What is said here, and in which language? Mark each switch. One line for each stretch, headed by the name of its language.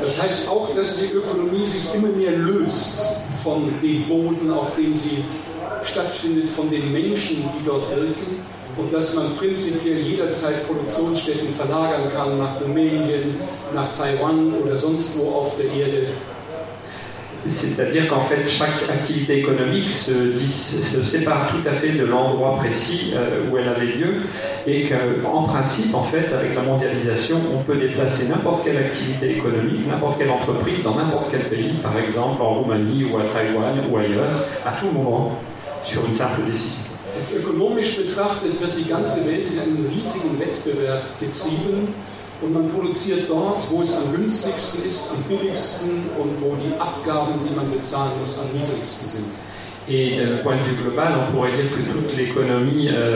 German: Das heißt auch, dass die Ökonomie sich immer mehr löst von den Boden, auf denen sie stattfindet, von den Menschen, die dort wirken, und dass man prinzipiell jederzeit Produktionsstätten verlagern kann nach Rumänien, nach Taiwan oder sonst wo auf der Erde.
French: C'est-à-dire qu'en fait chaque activité économique se sépare tout à fait de l'endroit précis où elle avait lieu, et qu'en principe, en fait, avec la mondialisation, on peut déplacer n'importe quelle activité économique, n'importe quelle entreprise dans n'importe quel pays, par exemple en Roumanie ou à Taïwan ou ailleurs, à tout moment, sur une simple décision.
German: Ökonomisch betrachtet wird die ganze Welt in einen riesigen Wettbewerb getrieben, Und man produziert dort, wo es am günstigsten ist, am billigsten und wo die Abgaben, die man bezahlen muss, am niedrigsten sind.
French: Et d'un point de vue global, on pourrait dire que toute l'économie...